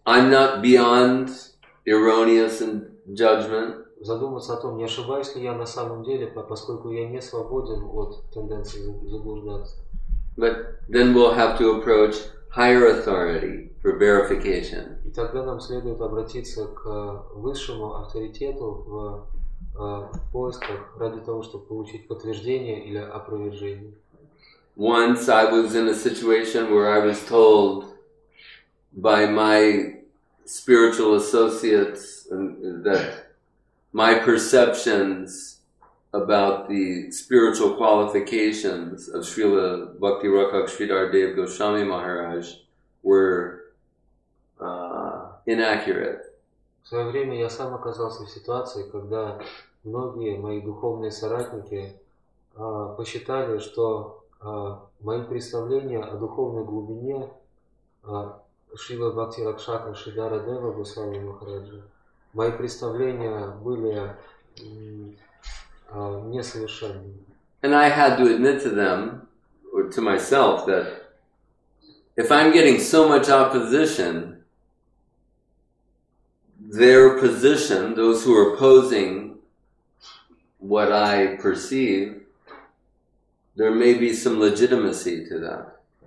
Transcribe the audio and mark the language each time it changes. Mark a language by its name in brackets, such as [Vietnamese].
[English] I'm not beyond erroneous in judgment. [Russian] Задуматься о том, не ошибаюсь ли я на самом деле, поскольку я не свободен от тенденции заблуждаться. [English] But then we'll have to approach higher authority for verification. [Russian] И тогда нам следует обратиться к высшему авторитету в поисках ради того, чтобы получить подтверждение или опровержение. [English] Once I was in a situation where I was told by my spiritual associates that my perceptions about the spiritual qualifications of Srila Bhakti Rakak Sridhar Dev Goswami Maharaj were inaccurate. [Russian] В свое время я сам оказался в ситуации, когда многие мои духовные соратники посчитали, что мои представления о духовной глубине Шрила Бхакти Ракшака Шридхара Дева Госвами Махараджа, мои представления были несовершенными. [English] And I had to admit to them, or to myself, that if I'm getting so much opposition, their position, those who are opposing what I perceive, there may be some legitimacy to that.